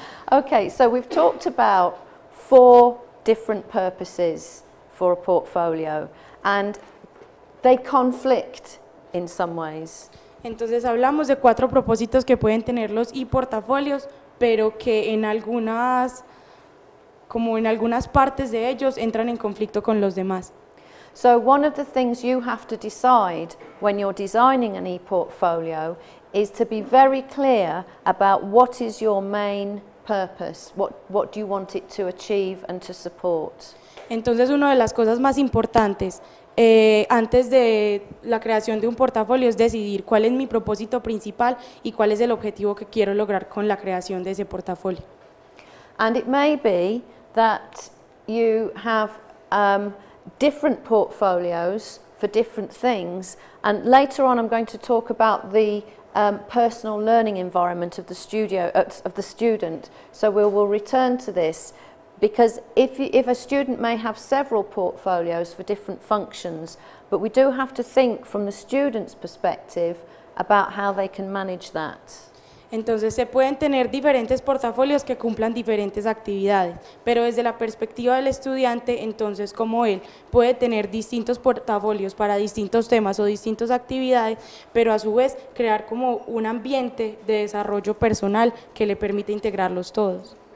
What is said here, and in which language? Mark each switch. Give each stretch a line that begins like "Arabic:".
English: Okay, so we've talked about four different purposes for a portfolio, and they conflict in some ways.
Spanish: Entonces hablamos de cuatro propósitos que pueden tener los e-portafolios, pero que en algunas, como en algunas partes de ellos, entran en conflicto con los demás.
English: So one of the things you have to decide when you're designing an e-portfolio is to be very clear about what is your main purpose, what do you want it to achieve and to support.
Spanish: Entonces una de las cosas más importantes antes de la creación de un portafolio es decidir cuál es mi propósito principal y cuál es el objetivo que quiero lograr con la creación de ese portafolio.
English: And it may be that you have different portfolios for different things, and later on I'm going to talk about the personal learning environment of the studio of the student, so we will return to this. Because if a student may have several portfolios for different functions, but we do have to think from the student's perspective about how they can manage that.
Spanish: Entonces se pueden tener diferentes portafolios que cumplan diferentes actividades, pero desde la perspectiva del estudiante, entonces como él puede tener distintos portafolios para distintos temas o distintas actividades, pero a su vez crear como un ambiente de desarrollo personal que le permite integrarlos todos.